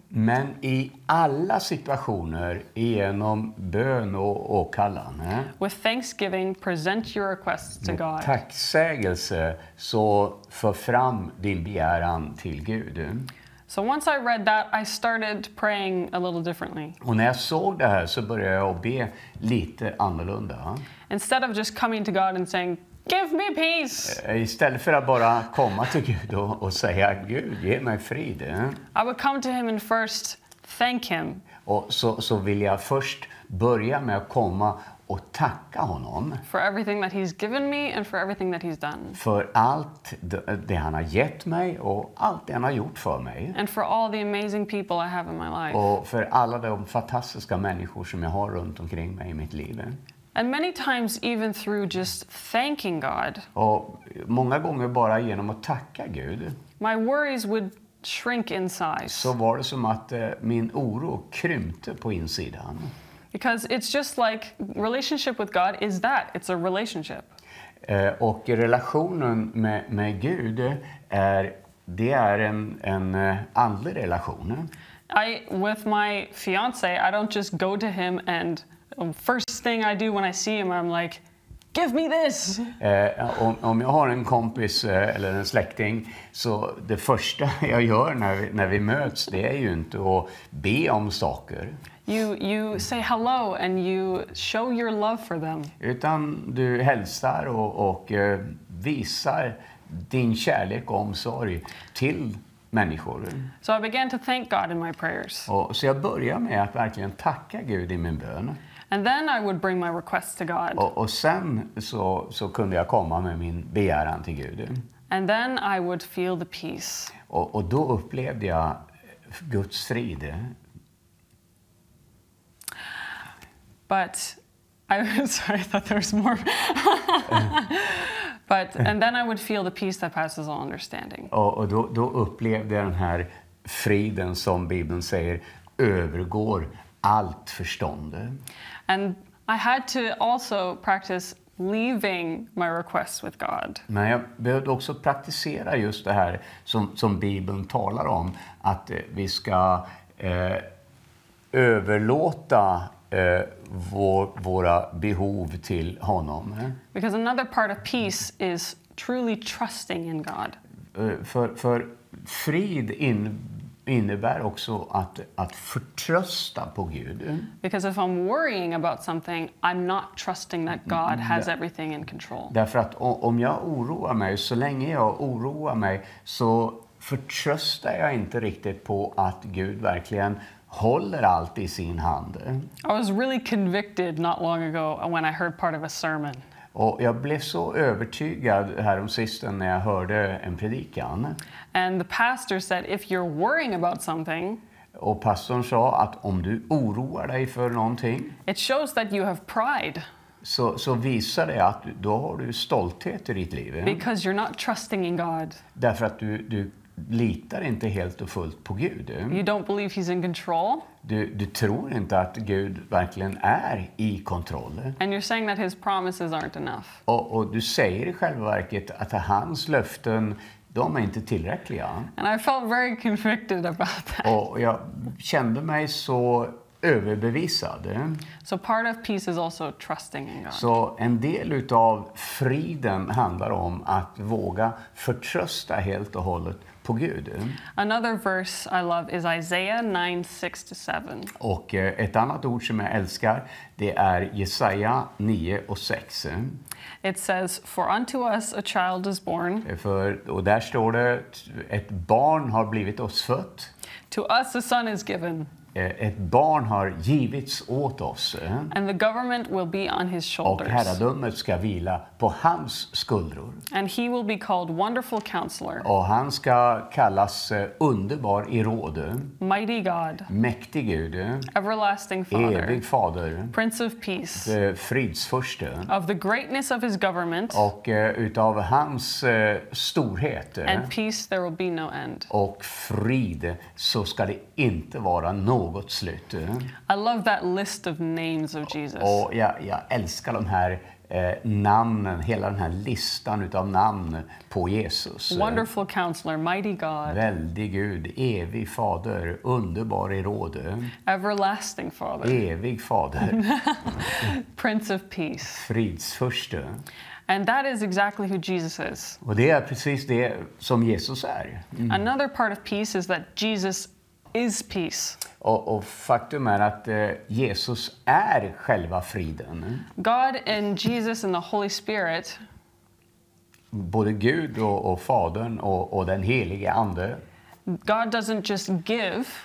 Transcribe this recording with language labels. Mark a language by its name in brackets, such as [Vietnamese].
[Swedish] Men i alla situationer, genom bön och åkallan. [English] With thanksgiving, present your requests to God. [Swedish] Med tacksägelse, så för fram din begäran till Gud. [English] So once I read that, I started praying a little differently. [Swedish] Och när jag såg det här så började jag be lite annorlunda. [English] Instead of just coming to God and saying, Give me peace. [Swedish] Istället för att bara komma till Gud och säga, Gud, ge mig frid. [English] I will come to him and first thank him. [Swedish] Och så vill jag först börja med att komma och tacka honom. [English] For everything that he's given me and for everything that he's done. [Swedish] För allt det han har gett mig och allt det han har gjort för mig. [English] And for all the amazing people I have in my life. [Swedish] Och för alla de fantastiska människor som jag har runt omkring mig i mitt liv. [English] And many times even through just thanking God. [Swedish] Och många gånger bara genom att tacka Gud. [English] My worries would shrink in size. [Swedish] Så var det som att min oro krympte på insidan. [English] Because it's just like relationship with God is that. It's a relationship. [Swedish] Och relationen med Gud är det är en andlig relation. [English] I with my fiance, I don't just go to him and first thing I do when I see him, I'm like, give me this. [Swedish] Om jag har en kompis eller en släkting, så det första jag gör när vi möts, det är ju inte att be om saker. [English] You say hello and you show your love for them. [Swedish] Utan du hälsar och visar din kärlek och omsorg till människor. [English] So I began to thank God in my prayers. [Swedish] Så jag börjar med att verkligen tacka Gud i min bön. [English] And then I would bring my request to God. [Swedish] Och sen så kunde jag komma med min begäran till Gud. [English] And then I would feel the peace. [Swedish] Och då upplevde jag Guds frid. [English] But sorry, I thought there was more. But and then I would feel the peace that passes all understanding. [Swedish] Och då upplevde jag den här friden som Bibeln säger övergår allt förstånd. [English] And I had to also practice leaving my requests with God. [Swedish] Men jag behövde också praktisera just det här som Bibeln talar om, att vi ska överlåta våra behov till honom. [English] Because another part of peace is truly trusting in God. [Swedish] För frid innebär också att förtrösta på Gud. [English] Because if I'm worrying about something, I'm not trusting that God has everything in control. [Swedish] Därför att om jag oroar mig, så länge jag oroar mig, så förtröstar jag inte riktigt på att Gud verkligen håller allt i sin hand. [English] I was really convicted not long ago when I heard part of a sermon. [Swedish] Och jag blev så övertygad häromsisten när jag hörde en predikan. [English] And the pastor said, if you're worrying about something. [Swedish] Och pastorn sa att om du oroar dig för någonting. [English] It shows that you have pride. [Swedish] Så visar det att då har du stolthet i ditt liv. [English] Because you're not trusting in God. [Swedish] Därför att du litar inte helt och fullt på Gud. [English] You don't believe he's in control. [Swedish] Du tror inte att Gud verkligen är i kontroll. [English] And you're saying that his promises aren't enough. [Swedish] Och du säger i själva verket att hans löften, de är inte tillräckliga. [English] And I felt very convicted about that. [Swedish] Och jag kände mig så överbevisad. [English] So part of peace is also trusting in God. [Swedish] Så en del utav friden handlar om att våga förtrösta helt och hållet på Gud. [English] Another verse I love is Isaiah 9:6-7. [Swedish] Och ett annat ord som jag älskar, det är Jesaja 9:6. [English] It says, for unto us a child is born. [Swedish] Och där står det, ett barn har blivit oss fött. [English] To us a son is given. [Swedish] Ett barn har givits åt oss. [English] And the government will be on his shoulders. [Swedish] Och herradömet ska vila på hans skuldror. [English] And he will be called wonderful counselor. [Swedish] Och han ska kallas underbar i råd. [English] Mighty God. [Swedish] Mäktig Gud. [English] Everlasting Father. [Swedish] Evig fader. [English] Prince of Peace. [Swedish] Fridsförste. [English] Of the greatness of his government. [Swedish] Och utav hans storhet. [English] And peace there will be no end. [Swedish] Och frid så ska det inte vara något slut. [English] I love that list of names of Jesus. [Swedish] Och jag älskar de här namnen, hela den här listan utav namn på Jesus. [English] Wonderful counselor, mighty God. [Swedish] Väldig Gud, evig fader, underbar i råd. [English] Everlasting Father. [Swedish] Evig fader. [English] Prince of Peace. [Swedish] Fridsförste. [English] And that is exactly who Jesus is. [Swedish] Och det är precis det som Jesus är. Mm. [English] Another part of peace is that Jesus is peace. [Swedish] Och faktum är att Jesus är själva friden. [English] God and Jesus and the Holy Spirit. [Swedish] både Gud och Fadern och den helige ande. [English] God doesn't just give.